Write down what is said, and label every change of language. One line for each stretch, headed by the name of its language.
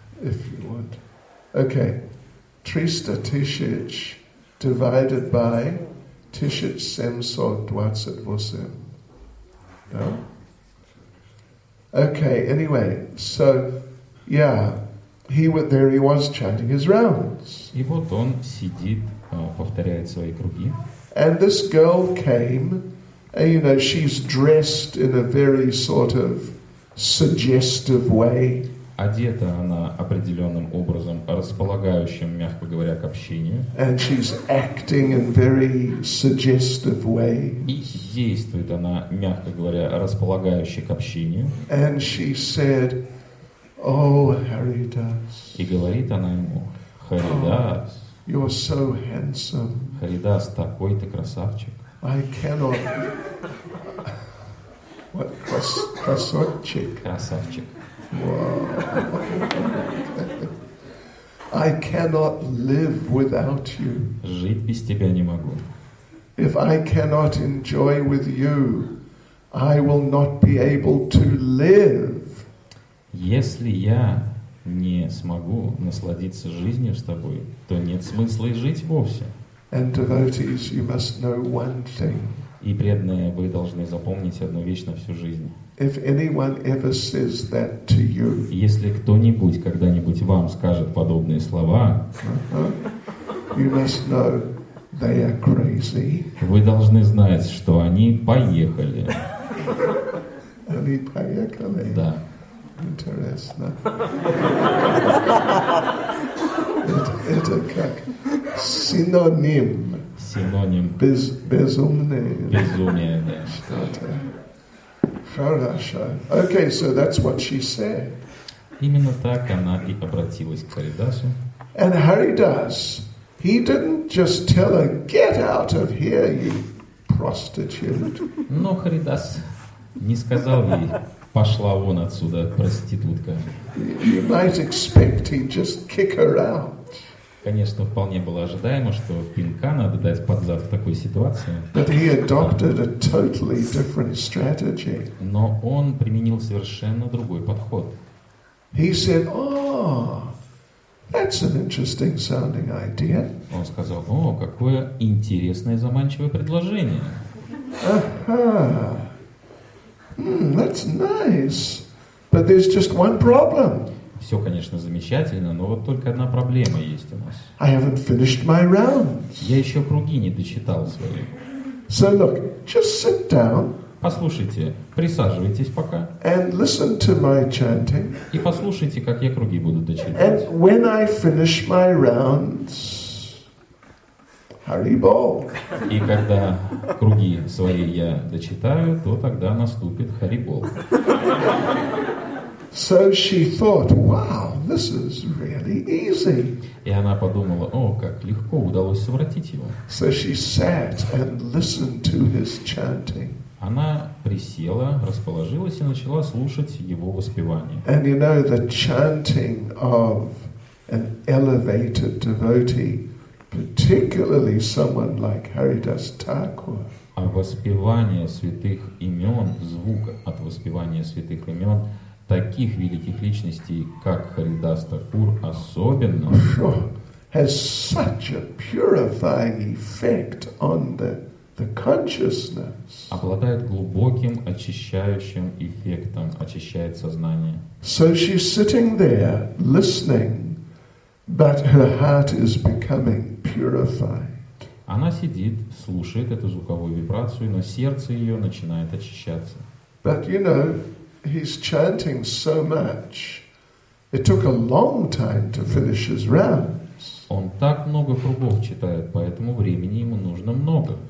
English: If you want. Okay. 300 тысяч divided by 1728. No? Okay, anyway, so, yeah, he went there, he was chanting his rounds.
Russian: И вот он сидит, повторяет свои круги.
English: And this girl came, and you know, she's dressed in a very sort of suggestive way.
Russian: Одета она определенным образом, располагающим, мягко говоря, к общению.
English: And she's acting in very suggestive way.
Russian: И действует она, мягко говоря, располагающе к общению.
English: And she said, oh, Haridas.
Russian: И говорит она ему, Харидас.
English: Oh, you're so handsome.
Russian: Харидас, такой ты красавчик.
English: I cannot...
Russian: What? Красавчик. Красавчик.
English: I cannot live without you.
Russian: Жить без тебя не могу.
English: If I cannot enjoy with you, I will not be able to live.
Russian: Если я не смогу насладиться жизнью с тобой, то нет смысла и жить вовсе.
English: And devotees, you must know one thing.
Russian: И преданные, вы должны запомнить одну вещь на всю жизнь.
English: If anyone ever says that to you,
Russian: если кто-нибудь когда-нибудь вам скажет подобные слова,
English: you must know they are crazy.
Russian: Вы должны знать, что они поехали. Они поехали. Да. Интересно. Это как синоним. Синоним. Безумные. Безумие, да. Что-то. Хорошо.
English: Okay, so that's what she said.
Russian: Именно так она и обратилась к Харидасу.
English: And Haridas, he didn't just tell her, get out of here, you prostitute.
Russian: Но Харидас не сказал ей, пошла вон отсюда, проститутка.
English: You might expect he'd just kick her out.
Russian: Конечно, вполне было ожидаемо, что пинка надо дать под зад в такой ситуации.
English: But he adopted a totally different strategy.
Russian: Но он применил совершенно другой подход.
English: He said, oh, that's an interesting sounding idea.
Russian: Он сказал, о, какое интересное заманчивое предложение.
English: That's nice, but there's just one problem.
Russian: Все, конечно, замечательно, но вот только одна проблема есть у нас.
English: I haven't finished my rounds.
Russian: Я еще круги не дочитал свои.
English: So look, just sit down.
Russian: Послушайте, присаживайтесь пока.
English: And listen to my chanting.
Russian: И послушайте, как я круги буду дочитывать.
English: And when I finish my rounds, Haribo.
Russian: И когда круги свои я дочитаю, то тогда наступит Haribo.
English: So she thought, wow, this is really easy.
Russian: И она подумала, о, как легко удалось совратить его.
English: So she sat and listened to his chanting.
Russian: Она присела, расположилась и начала слушать его воспевание.
English: And you know, the chanting of an elevated devotee, particularly someone like Haridas Thakur.
Russian: А воспевание святых имен, звук от воспевания святых имен таких великих личностей, как Харидас Такур, особенно
English: has such a purifying effect on the consciousness.
Russian: Обладает глубоким очищающим эффектом, очищает сознание.
English: So she's sitting there listening, but her heart is becoming purified.
Russian: Она сидит, слушает эту звуковую вибрацию, но сердце ее начинает очищаться.
English: But you know, he's chanting so much. It took a long time to finish his rounds.
Russian: Он так много кругов читает, поэтому времени ему нужно много.